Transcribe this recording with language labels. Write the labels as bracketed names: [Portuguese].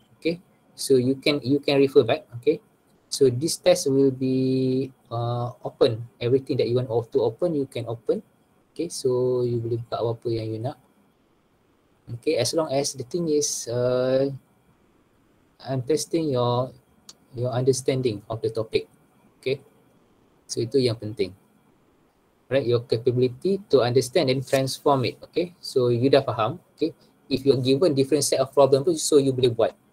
[English] Okay. So you can refer back, okay. So this test will be open everything that you want to open, you can open. [Malay] Okay, so you boleh buka apa-apa yang you nak. [English] Okay, as long as the thing is I'm testing your understanding of the topic. Okay, so [Malay] itu yang penting. [English] Right, your capability to understand and transform it. Okay, so you [Malay] dah faham. [English] Okay, if you're given different set of problem tu, so you [Malay] boleh buat.